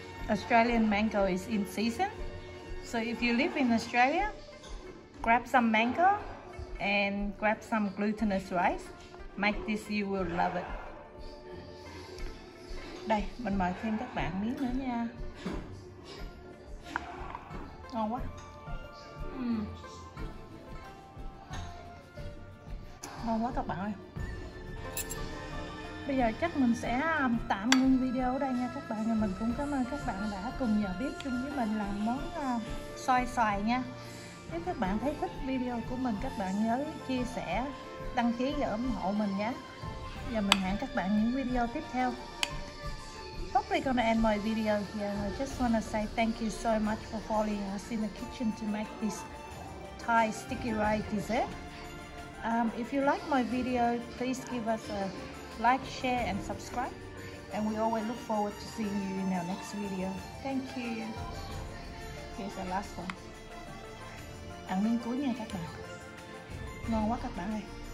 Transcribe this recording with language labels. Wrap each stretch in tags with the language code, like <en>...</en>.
<en>Australian mango is in season. So if you live in Australia, grab some mango and grab some glutinous rice. Make this, you will love it.</en> <vi>Đây, mình mời thêm các bạn miếng nữa nha. Ngon quá. Ngon quá các bạn ơi. Bây giờ chắc mình sẽ tạm ngưng video ở đây nha các bạn. Mình cũng cảm ơn các bạn đã cùng giờ bếp chung với mình làm món xoài xoài nha. Nếu các bạn thấy thích video của mình, các bạn nhớ chia sẻ, đăng ký và ủng hộ mình nha. Giờ mình hẹn các bạn những video tiếp theo.</vi> <en>Hopefully gonna end my video here. I just wanna say thank you so much for following us in the kitchen to make this Thai sticky rice dessert. If you like my video, please give us a like, share and subscribe, and we always look forward to seeing you in our next video. Thank you. Here's the last one.</en> <vi>Ăn miếng cuối nha các bạn. Ngon quá các bạn ơi.</vi>